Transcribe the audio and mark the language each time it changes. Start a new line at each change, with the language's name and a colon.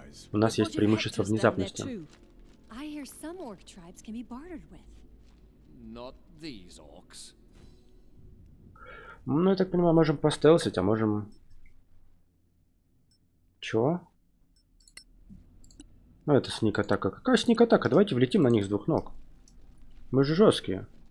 Russian: У нас есть преимущество внезапности.
English: I hear some orc tribes can be bartered with. Not these orcs.
Russian: Ну, я так понимаю, можем постелсить, а можем... Чего? Ну, это сник-атака. Какая сник-атака? Давайте влетим на них с двух ног. Мы же жесткие.